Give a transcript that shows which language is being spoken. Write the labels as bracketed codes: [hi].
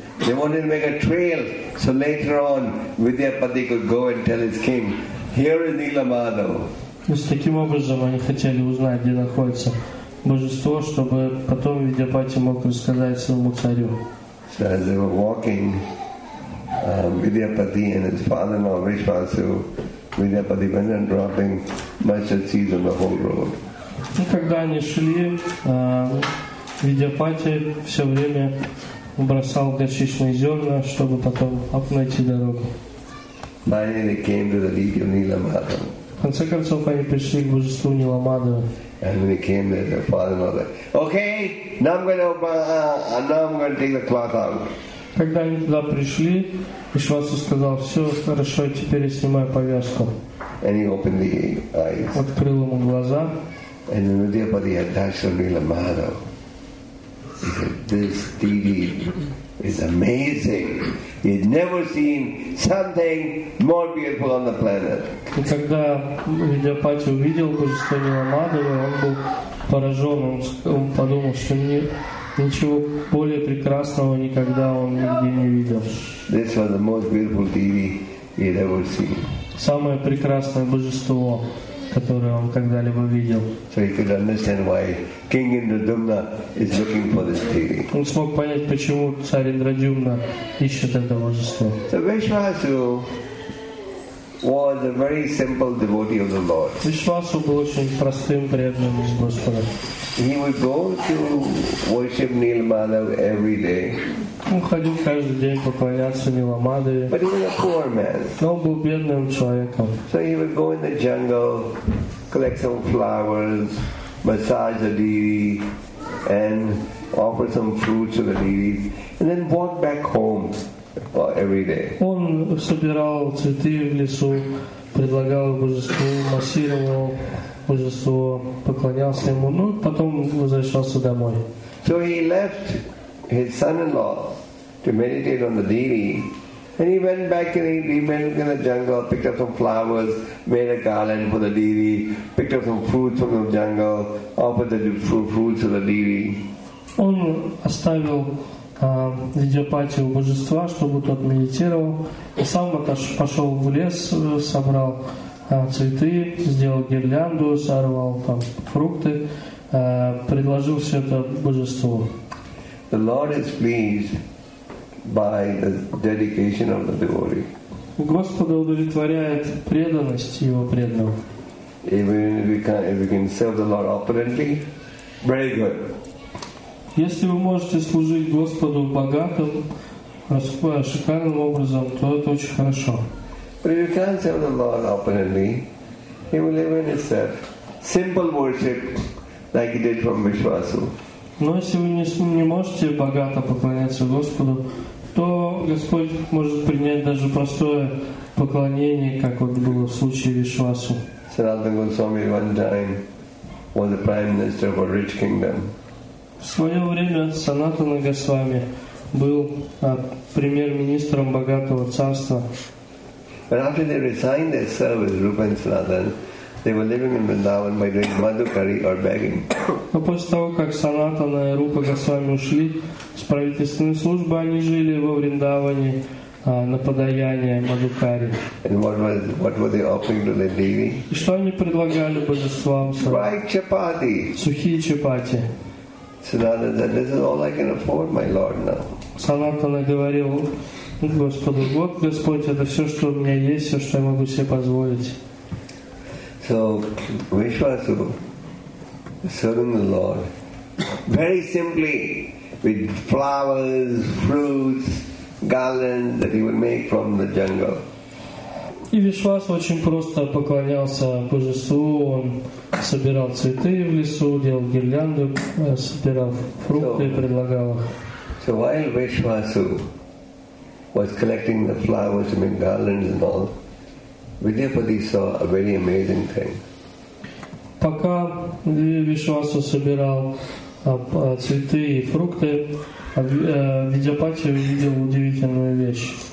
[en] They wanted to make a trail, so later on Vidyapati could go and tell his king, here is Nila Madhava. [ru] То есть таким образом они хотели узнать, где находится божество, чтобы потом Видьяпати мог рассказать своему царю. [en] So as they were walking, Vidyapati and his father-in-law Vishvasu, Vidyapati went on dropping mustard seeds on the whole road. [ru] Ну, когда они шли, Видьяпати все время бросал горчичные зерна, чтобы потом найти дорогу. [en] Finally they came to the deity of Nila Madhava. [ru] В конце концов, они пришли к божеству Нила Мадхава. [en] And when he came there, their father was like, okay, now I'm going to open, now I'm going to take the cloth out. [ru] Когда они туда пришли, Вишвасу сказал, все хорошо, теперь я снимаю повязку. [en] And he opened the eyes. [ru] Открыл ему глаза. [en] And then Vidyapati had dashed on Nila Madhava. He said, this deity is amazing. He had never seen something more beautiful on the planet. [ru] И когда Видьяпати увидел божество Нила Мадхава, он был поражен. Он подумал, что ничего более прекрасного никогда он нигде не видел. [en] This was the most beautiful deity he had ever seen. [ru] Самое прекрасное божество, которое он когда-либо видел. [en] So he could understand why King Indradyumna is looking for this deity. [ru] Он смог понять, почему царь Индрадюмна ищет это божество. [en] So Vishvasu was a very simple devotee of the Lord. [ru] Вишвасу был очень простым преданным Господа. [en] He would go to worship Nila Madhava every day. [ru] Он ходил каждый день поклоняться Нила Мадхаве. [en] But he was a poor man. [ru] Но он был бедным человеком. [en] So he would go in the jungle, collect some flowers, massage the deity, and offer some fruits to the deity, and then walk back home every day. [ru] Он собирал цветы в лесу, предлагал божеству, массировал божество, поклонялся ему, ну потом возвращался домой. [en] So he left his son-in-law to meditate on the deity, and he went back and he went in the jungle, picked up some flowers, made a garland for the deity, picked up some fruits from the jungle, offered the fruits to the deity. [ru] Он оставил Видьяпати у божества, чтобы тот медитировал, и сам пошел в лес, собрал цветы, сделал гирлянду, сорвал там фрукты, предложил все это божеству. [en] The Lord is pleased by the dedication of the devotee. [ru] Господа удовлетворяет преданность его преданного. [en] If we can serve the Lord opulently, very good. [ru] Если вы можете служить Господу богатым, раскупая шикарным образом, то это очень хорошо. [en] But if you can't serve the Lord openly, he will even accept simple worship like he did from Vishvasu. [ru] Но если вы не можете богато поклоняться Господу, то Господь может принять даже простое поклонение, как вот было в случае Вишвасу. [en] Саранатан Госвами one time was the prime minister of a rich kingdom. [ru] В свое время Санатана Госвами был премьер-министром богатого царства. [en] But after they resigned their service, Rupa and Sanatan, they were living in Vrindavan by doing madhukari or begging. [ru] Но после того, как Санатана и Рупа Госвами ушли с правительственной службы, они жили во Вриндаване на подаяние мадхукари. [en] And what were they offering to the deity? [ru] И что они предлагали божествам? [en] Right, chapati. [ru] Сухие чапати. [en] Санатана said, "This is all I can afford, my Lord, now." [ru] Санатана говорил, Господу, вот Господь, это все, что у меня есть, все, что я могу себе позволить. [en] So Vishvasu, serving the Lord, very simply, with flowers, fruits, garlands that he would make from the jungle. [ru] И Вишвас очень просто поклонялся божеству, он собирал цветы в лесу, делал гирлянду, собирал фрукты и предлагал их. [en] So while Vishwasu was collecting the flowers and garlands and all, Vidyapati saw a very amazing thing. [ru] Пока Вишвасу собирал цветы и фрукты, Видяпати увидел удивительную вещь.